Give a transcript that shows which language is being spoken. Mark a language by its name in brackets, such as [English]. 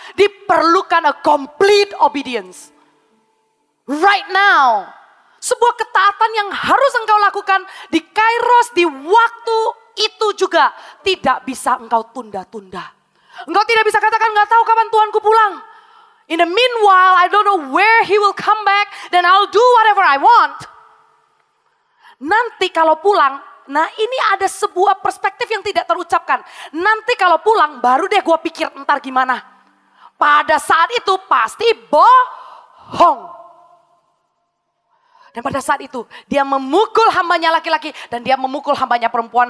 [Indonesian] Diperlukan [English] a complete obedience. Right now. [Indonesian] Sebuah ketaatan yang harus engkau lakukan di Kairos, di waktu itu juga. Tidak bisa engkau tunda-tunda. Engkau tidak bisa katakan, gak tahu kapan Tuhanku pulang. [English] In the meanwhile, I don't know where he will come back, then I'll do whatever I want. [Indonesian] Nanti kalau pulang, nah ini ada sebuah perspektif yang tidak terucapkan. Nanti kalau pulang, baru deh gue pikir entar gimana. Pada saat itu pasti bohong. Dan pada saat itu, dia memukul hambanya laki-laki, dan dia memukul hambanya perempuan.